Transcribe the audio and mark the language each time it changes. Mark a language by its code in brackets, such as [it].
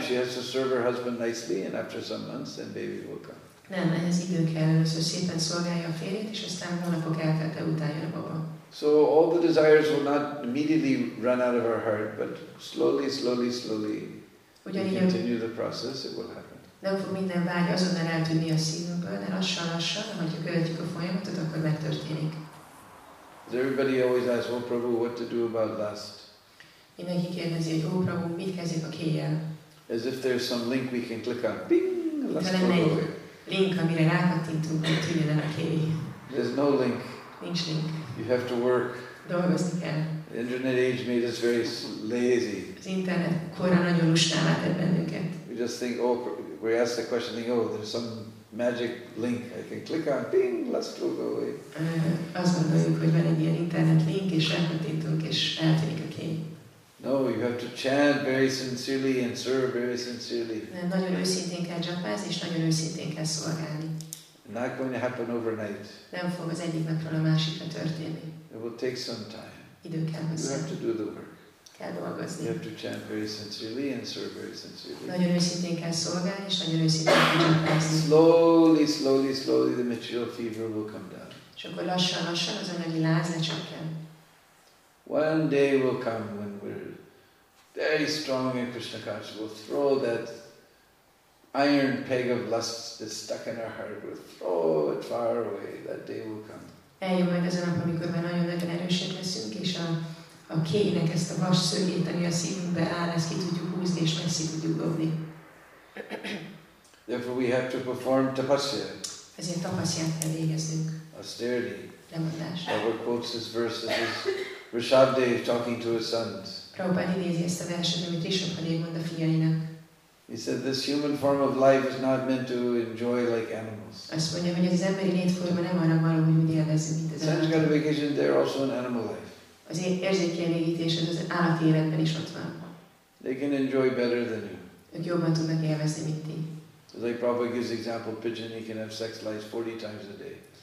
[en] She has to serve her husband nicely, and after some months, then baby will come. [hu] Nem, ehhez idő kell, először szépen szolgálja a férjét, és aztán hónapok eltelte után jön a baba. [en] So all the desires will not immediately run out of our heart, but slowly, slowly, slowly, [hu] ugyanígy, [en] we continue the process, it will happen. [hu] Nem fog minden vágy azonnal eltűnni a szívünkből, de lassan, ahogy követjük a folyamatot, akkor megtörténik. [en] Everybody always asks, "Oh, Prabhu, what to do about lust?" [hu] Mindenki kérdezi, hogy oh, Prabhu, mit kezdjük a kéjjel? [en] As if there's some link we can click on. Bing, lust [hu] link, amire rákattintunk, hogy tűnjön el a kéj. [en] There's no link. [hu] Nincs link. [en] You have to work. [hu] Dolgozni kell. [en] The internet age made us very lazy. [hu] Az internet korra nagyon lustává tett bennünket. [en] We just think, oh, we ask the question, think, oh, there's some magic link I can click on. Bing, lust will go away. [hu] Azt gondoljuk, hogy van egy ilyen internet link, és rákattintunk, és eltűnik a kéj. [en] No, you have to chant very sincerely and serve very sincerely. [hu] Nem, nagyon őszintén kell japázni, és nagyon őszintén kell szolgálni. [en] Not going to happen overnight. [hu] Nem fog az egyik napról a másikra történni. [en] It will take some time. [hu] Idő kell hozzá. [en] You have to do the work. [hu] Kell dolgozni. [en] You have to chant very sincerely and serve very sincerely. [hu] Nagyon őszintén kell szolgálni, és nagyon őszintén kell japázni. [en] Slowly, slowly, slowly the material fever will come down. [hu] És akkor lassan, lassan az anyagi láz lecsökken. [en] One day will come when we're very strong in Krishna consciousness. We'll throw that iron peg of lust that's stuck in our heart. We'll throw it far away. That day will come. [hu] Eljön majd az a nap, amikor már nagyon nagyon erősek leszünk, és a kéjnek ezt a vas szögét, ami a szívünkbe áll, ezt ki tudjuk húzni, és messzi tudjuk dobni. [en] Therefore we have to perform tapasya. [hu] Ezért tapasyát kell végeznünk. [en] Austerity. [hu] Lemondás. [en] Prabhupada quotes this verse as his Rishabdev talking to his sons. [hu] Prabhupada idézi ezt a verset, amit Rishabdev mond a fiainak. [en] He said, this human form of life is not meant to enjoy like animals. [hu] Azt mondja, hogy az emberi létforma nem arra való, hogy úgy élvezze, mint az állat. [en] Sanjgata vacation, they're also an animal life. [hu] Az érzékkielégítés az állati életben is ott van. [en] They can enjoy better than you. [hu] Ők jobban tudnak élvezni, mint ti. [en] As like Prabhupada gives example, pigeon, he can have sex life 40 times a day.